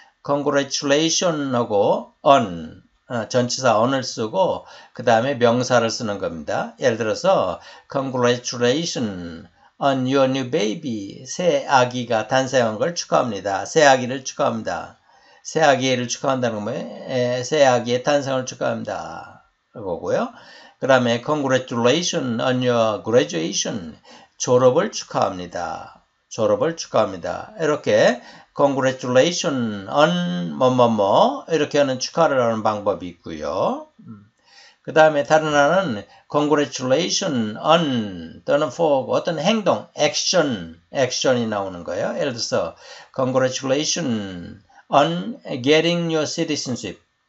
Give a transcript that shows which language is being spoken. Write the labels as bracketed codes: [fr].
[ko] Congratulation 하고 on 전치사 on을 쓰고 그 다음에 명사를 쓰는 겁니다. 예를 들어서 [en] Congratulation on your new baby [ko] 새 아기가 탄생한 걸 축하합니다. 새 아기를 축하합니다. 새 아기를 축하한다는 거예요. 새 아기의 탄생을 축하합니다. 그거고요. 그 다음에 [en] Congratulations on your graduation. [ko] 졸업을 축하합니다. 졸업을 축하합니다. 이렇게 [en] Congratulations on [ko] 뭐뭐뭐 이렇게 하는 축하를 하는 방법이 있고요. 그 다음에 다른 하나는 [en] Congratulations on [ko] 또는 for 어떤 행동, action이 나오는 거예요. 예를 들어서 [en] Congratulations on getting your citizenship.